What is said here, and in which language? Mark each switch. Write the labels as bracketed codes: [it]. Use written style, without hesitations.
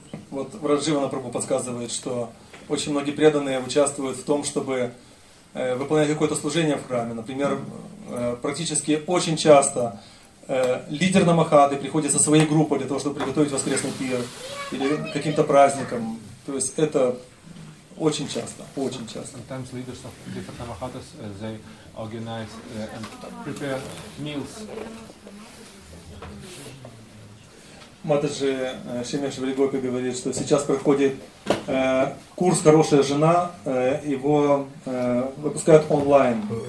[ru] Вот Врадживана Прабху подсказывает, что очень многие преданные участвуют в том, чтобы выполнять какое-то служение в храме. Например, практически очень часто лидер Намахады приходит со своей группой для того, чтобы приготовить воскресный пир или каким-то праздником. То есть это очень часто, очень часто. [en] Sometimes leaders of different Namahadas, they organize and prepare meals. [ru] Матаджи Шимеш Варигопи говорит, что сейчас проходит курс «Хорошая жена», его выпускают онлайн.